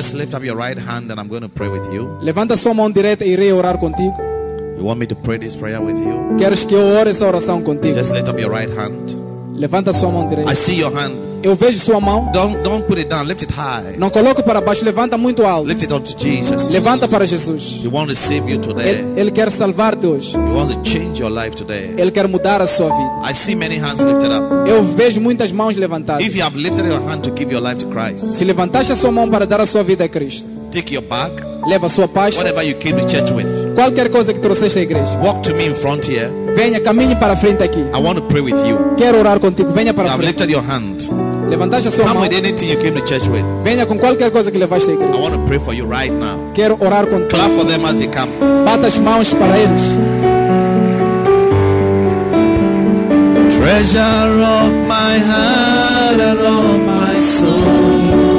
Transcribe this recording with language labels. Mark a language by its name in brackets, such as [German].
[English] Just lift up your right hand and I'm going to pray with you. [Portuguese] Levanta sua mão direita e irei orar contigo. [English] You want me to pray this prayer with you? [Portuguese] Queres que eu ore essa oração contigo? [English] Just lift up your right hand. [Portuguese] Levanta sua mão direita. [English] I see your hand. [Portuguese] Eu vejo sua mão. [English] Don't put it down. Lift it high. [Portuguese] Não coloque para baixo. Levanta muito alto. [English] Lift it up to Jesus. [Portuguese] Levanta para Jesus. [English] He wants to save you today. [Portuguese] Ele quer salvar-te hoje. [English] He wants to change your life today. [Portuguese] Ele quer mudar a sua vida. [English] I see many hands lifted up. [Portuguese] Eu vejo muitas mãos levantadas. [English] If you have lifted your hand to give your life to Christ. [Portuguese] Se levantaste a sua mão para dar a sua vida a Cristo. [English] Take your bag. [Portuguese] Leva a sua pasta. [English] Whatever you came to church with. [Portuguese] Qualquer coisa que trouxeste à igreja. [English] Walk to me in front here. [Portuguese] Venha, caminhe para frente aqui. [English] I want to pray with you. [Portuguese] Quero orar contigo. Venha para [English] you [Portuguese] frente. [English] Have lifted your hand. [Portuguese] Levantaste a sua [English] come [Portuguese] mão. [English] With anything you came to church with. [Portuguese] Venha com qualquer coisa que levaste à igreja. [English] I want to pray for you right now. [Portuguese] Quero orar contigo. [English] Clap for them as they come. [Portuguese] Bata as mãos para eles. [English] Treasure of my heart and all my soul.